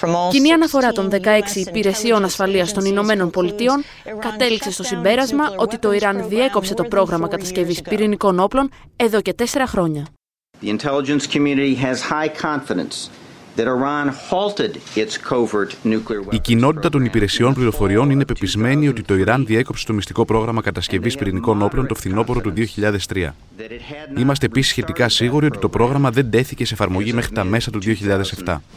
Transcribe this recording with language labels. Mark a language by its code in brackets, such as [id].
[el] Κοινή αναφορά των 16 υπηρεσιών ασφαλείας των Ηνωμένων Πολιτείων κατέληξε στο συμπέρασμα ότι το Ιράν διέκοψε το πρόγραμμα κατασκευής πυρηνικών όπλων εδώ και 4 χρόνια. [en] The intelligence community has high confidence that Iran halted its covert nuclear weapons. [el] Η κοινότητα των υπηρεσιών πληροφοριών είναι πεπισμένη ότι το Ιράν διέκοψε το μυστικό πρόγραμμα κατασκευής πυρηνικών όπλων το φθινόπωρο του 2003. Είμαστε επίσης σχετικά σίγουροι ότι το πρόγραμμα δεν τέθηκε σε εφαρμογή μέχρι τα μέσα του 2007.